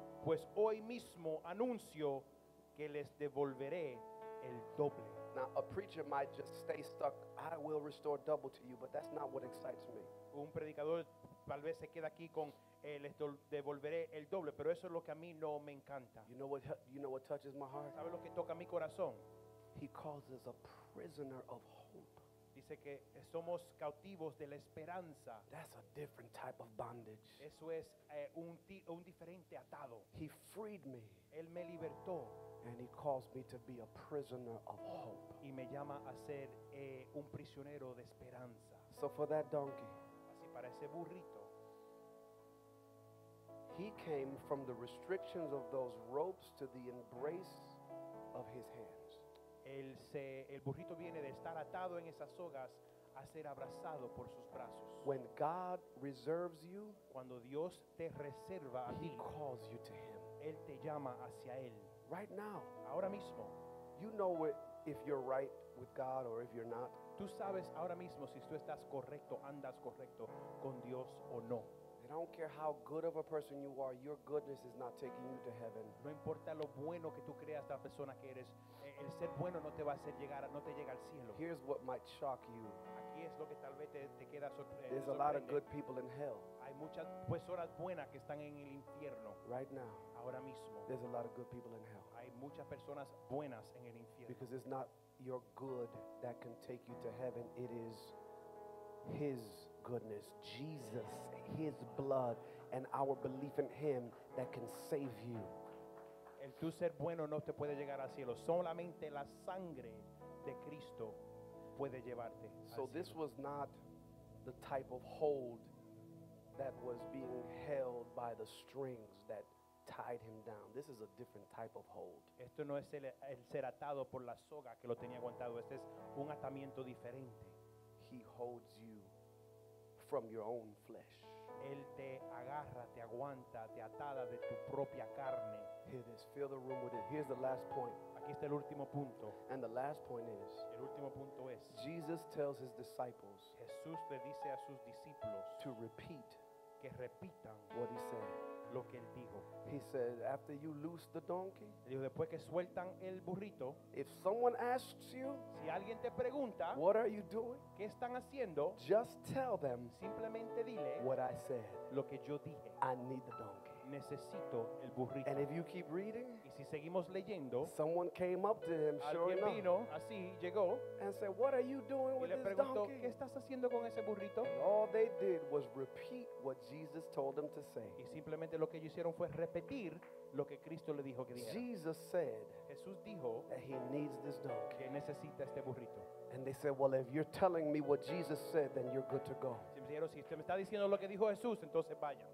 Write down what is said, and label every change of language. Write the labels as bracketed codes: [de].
[es] Pues hoy mismo anuncio que les devolveré el doble. [en] Now, a preacher might just stay stuck. I will restore double to you, but that's not what excites me. [es] Un predicador tal vez se queda aquí con les devolveré el doble, pero eso es lo que a mí no me encanta. [en] You know what touches my heart? [es] ¿Sabe lo que toca mi corazón? [en] He calls us a prisoner of hope. [es] Dice que somos cautivos de la esperanza. [en] That's a different type of bondage. [es] Eso es un diferente atado. [en] He freed me. [es] Él me libertó. [en] And he calls me to be a prisoner of hope. [es] Y me llama a ser un prisionero de esperanza. [en] So for that donkey, [es] así para ese burrito, [en] he came from the restrictions of those ropes to the embrace of his hands. [es] El burrito viene de estar atado en esas sogas a ser abrazado por sus brazos. [en] When God reserves you, [es] cuando Dios te reserva a ti, [en] he calls you to him. [es] Él te llama hacia él. [en] Right now, [es] ahora mismo, [en] you know if you're right with God or if you're not. [es] Tú sabes ahora mismo si tú estás correcto, andas correcto con Dios o no. [en] I don't care how good of a person you are, your goodness is not taking you to heaven. [es] No importa lo bueno que tú creas de la persona que eres, el ser bueno no te va a hacer llegar, no te llega al cielo. [en] Here's what might shock you. [es] Aquí es lo que tal vez te queda sorprendido. [en] There's a lot of good people in hell. [es] Hay muchas personas buenas que están en el infierno. [en] Right now. [es] Ahora mismo. [en] There's a lot of good people in hell. [es] Hay muchas personas buenas en el infierno. [en] Because it's not your good that can take you to heaven. It is His goodness, Jesus, His blood, and our belief in Him that can save you. [es] El tu ser bueno no te puede llegar al cielo. Solamente la sangre de Cristo puede llevarte. [en] So this was not the type of hold that was being held by the strings that tied him down. This is a different type of hold. [es] Esto no es el ser atado por la soga que lo tenía aguantado. Este es un atamiento diferente. [en] He holds you from your own flesh. [es] Él te agarra, te aguanta, te atada de tu propia carne. [en] Hear this. Fill the room with it. Here's the last point. [es] Aquí está el último punto. [en] And the last point is. [es] El último punto es. [en] Jesus tells his disciples. [es] Jesús le dice a sus discípulos. [en] To repeat. [es] que repitan [en] what he said. [es] Lo que él dijo. [en] He said, after you loose the donkey, [es] dijo, después que sueltan el burrito, [en] if someone asks you, [es] si alguien te pregunta, [en] what are you doing? [es] ¿Qué están haciendo? [en] Just tell them, [es] simplemente dile, [en] what I said, [es] lo que yo dije. [en] I need the donkey. [es] Necesito el burrito. [en] And if you keep reading, [es] y si seguimos leyendo, [en] someone came up to him, sure [es] vino, [en] enough, [es] así llegó, [en] and said, what are you doing with [es] preguntó, [en] this donkey? [es] ¿Qué estás haciendo con ese burrito? [en] And all they did was repeat what Jesus told them to say. [es] Y simplemente lo que ellos hicieron fue repetir lo que Cristo le dijo que dijera. [en] Jesus said, [es] Jesús dijo, [en] that he needs this donkey. [es] Que necesita este burrito. [en] And they said, well, if you're telling me what Jesus said, then you're good to go. [es] Si usted me está diciendo lo que dijo Jesús, entonces vaya.